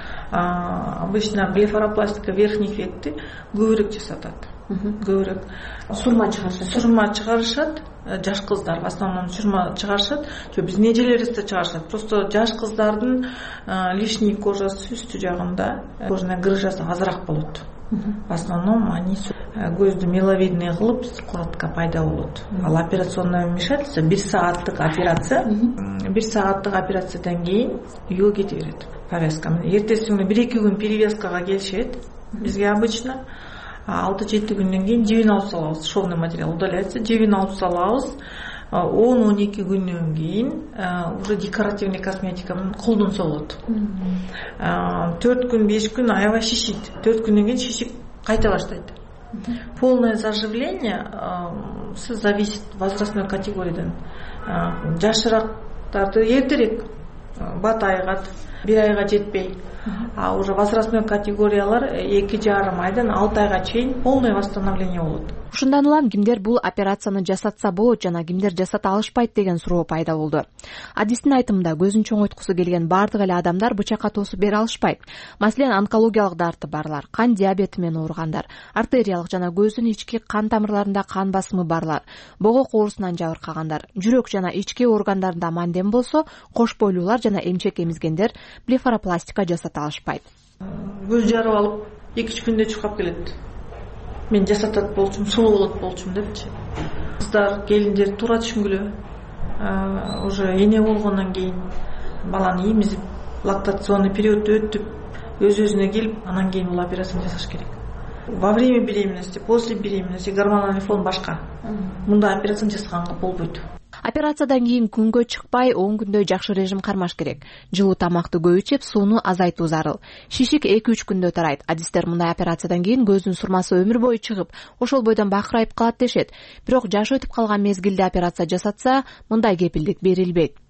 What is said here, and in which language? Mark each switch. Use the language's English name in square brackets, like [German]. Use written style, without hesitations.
[Russian] Обычно блефаропластика верхних [Kyrgyz] векти көбүрөөк жасатат. Көбүрөөк сурма чыгарышат. Сурма чыгарышат. Жаш кыздар [Russian] в основном [Kyrgyz] сурма чыгарышат. Жок, биз нежелерибизде чыгарышат. Просто жаш кыздардын лишний кожасы үстү жагында кожанын грыжасы азыраак болот. [Russian] В основном они [Kyrgyz] көздү меловидный кылып складка пайда болот. Ал [Russian] операционное вмешательство [Kyrgyz] 1 сааттык операция. 1 сааттык операциядан кийин үйгө кете берет. Повязка. Эртеси күнү 1-2 күн перевязкага келишет. Бизге обычно 6-7 күндөн кийин жибин алып салабыз, [Russian] шовный материал удаляется, [Kyrgyz] жибин алып салабыз. 10-12 күндөн кийин [Russian] уже декоративный косметика [Kyrgyz] колдонсо болот. 4 күн, 5 күн аябай шишит. 4 күндөн кийин шишип кайта баштайт. [Russian] Полное заживление зависит возрастной категориядан. [Kyrgyz] Жашыраактарды эртерээк бат айгат, бир айга жетпей. [Russian] А уже возрастной [Kyrgyz] категориялар 2,5 айдан 6 айга чейин [Russian] полный восстановление [Kyrgyz] болот. Ушундан улам кимдер бул операцияны жасатса болот жана кимдер жасата алышпайт деген суроо пайда болду. Адистин айтымында көзүн чоңойткусу келген бардык эле адамдар бычакка тосуп бере алышпайт. Маселен, онкологиялык дарты барлар, кан диабети менен ооругандар, артериялык жана көздүн ички кан тамырларында кан басымы барлар, богок оорусунан жабыркагандар, жүрөк жана ички органдарында мандем болсо, кош бойлуулар жана эмчек эмизгендер блефаропластика жасата алышпайт. Көз жарып алып, 2-3 күндө чуркап келет. Мен жасатат болчумун, сулуу болот болчумун депчи. Кыздар, келиндер туура түшүнгүлө. Уже эне болгондон кийин баланы эмизип, лактационный периодду өттүп, өз-өзүнө келип, анан кийин бул операцияны жасаш керек. [Russian] Во время беременности, после беременности гормональный фон башка. [Kyrgyz] Мындай операцияны жасаганга болбойт. Операциядан кийин күнгө чыкпай 10 күндө жакшы режим кармаш керек. Жылуу тамакты көп ичип, сууну азайтуу зарыл. Шишик 2-3 күндө тарайт. Адистер мындай операциядан кийин көздүн сурмасы өмүр бою чыгып, ошол бойдон бакырайып калат дешет. Бирок жаш өтүп калган мезгилде операция жасатса, мындай кепилдик берилбейт.